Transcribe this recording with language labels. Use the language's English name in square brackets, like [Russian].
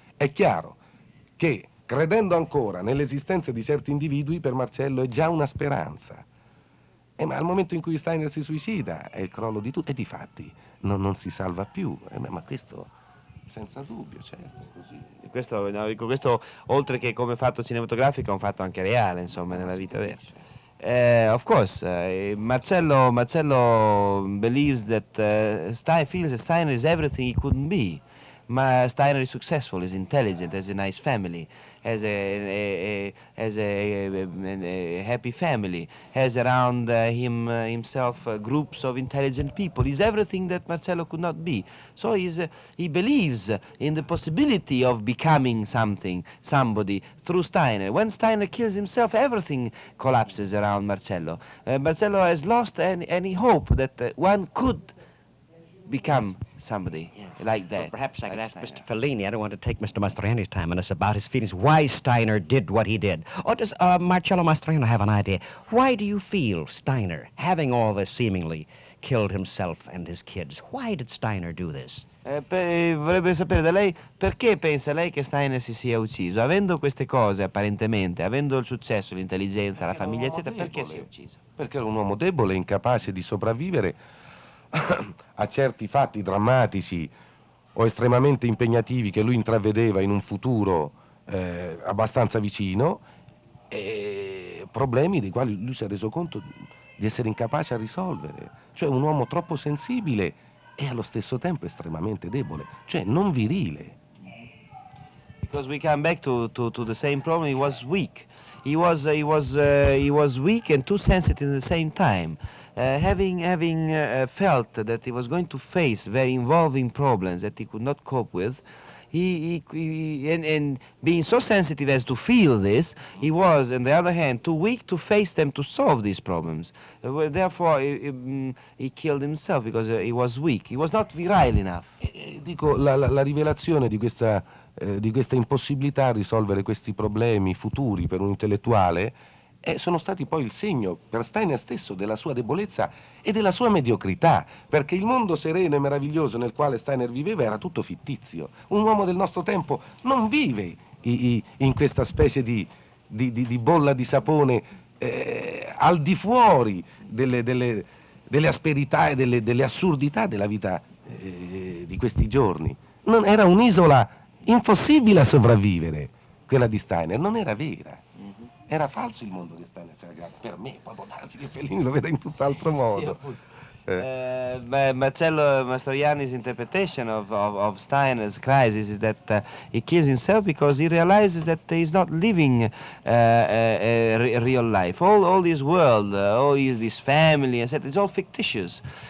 [Italian] È chiaro che credendo ancora nell'esistenza di certi individui, per Marcello è già una speranza. Ma al momento in cui Steiner si suicida è il crollo di tutto, e difatti non si salva più. Ma questo senza dubbio, certo. E questo, no, dico, questo oltre che come fatto cinematografico è un fatto anche reale, insomma, nella vita vera. [English] Of course, Marcello believes that feels that Steiner is everything he couldn't be. Ma Steiner is successful, is intelligent, has a nice family, has a happy family, has around himself groups of intelligent people. He's everything that Marcello could not be. So he believes in the possibility of becoming something, somebody, through Steiner. When Steiner kills himself, everything collapses around Marcello. Marcello has lost any hope that one could become somebody like that. Well, perhaps I could ask Steiner. Mr. Fellini, I don't want to take Mr. Mastroianni's time on this, about his feelings, why Steiner did what he did. Or does Marcello Mastroianni have an idea? Why do you feel Steiner, having all this seemingly, killed himself and his kids? Why did Steiner do this? [Italian] Vorrebbe sapere da lei perché pensa lei che Steiner si sia ucciso, avendo queste cose apparentemente, avendo il successo, l'intelligenza, la famiglia, eccetera, perché si è ucciso? Perché era un uomo debole, incapace di sopravvivere a certi fatti drammatici o estremamente impegnativi che lui intravedeva in un futuro abbastanza vicino, e problemi dei quali lui si è reso conto di essere incapace a risolvere. Cioè un uomo troppo sensibile e allo stesso tempo estremamente debole, cioè non virile. [English] Because we come back to the same problem, he was weak. He was weak and too sensitive at the same time. Having felt that he was going to face very involving problems that he could not cope with, he and being so sensitive as to feel this, he was, on the other hand, too weak to face them, to solve these problems. Therefore, he killed himself because he was weak. He was not virile enough. [Italian] Dico, la rivelazione di questa impossibilità a risolvere questi problemi futuri per un intellettuale sono stati poi il segno per Steiner stesso della sua debolezza e della sua mediocrità, perché il mondo sereno e meraviglioso nel quale Steiner viveva era tutto fittizio. Un uomo del nostro tempo non vive in questa specie di bolla di sapone al di fuori delle asperità e delle assurdità della vita di questi giorni. Non era un'isola impossibile a sopravvivere, quella di Steiner, non era vera. Mm-hmm. Era falso il mondo di Steiner, si era creato. Per me, proprio darsi che Fellini lo veda in tutt'altro modo. [English] Marcello Mastroianni's interpretation of Steiner's crisis is that he kills himself because he realizes that he's not living a real life. All his world, all his family, it's all fictitious.